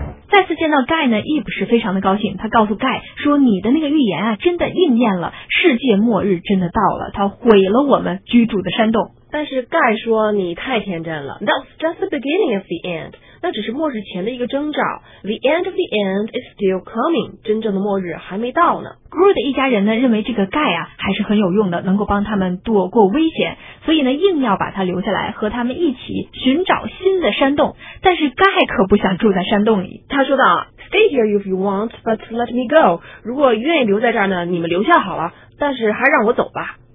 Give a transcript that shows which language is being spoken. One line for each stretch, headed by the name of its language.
Chinese: 再次见到盖呢，伊普是非常的高兴。他告诉盖说：“你的那个预言啊，真的应验了，世界末日真的到了，它毁了我们居住的山洞。” 但是盖说：“你太天真了。”
English: That's just the beginning of the end.
Chinese: 那只是末日前的一个征兆。
English: The end of the end is still coming.
Chinese: 真正的末日还没到呢。 Groot 一家人呢认为这个盖啊还是很有用的，能够帮他们躲过危险，所以呢硬要把他留下来和他们一起寻找新的山洞。但是盖可不想住在山洞里，他说道
English: ：“Stay here if you want, but let me go.
Chinese: 如果愿意留在这儿呢，你们留下好了，但是还让我走吧。”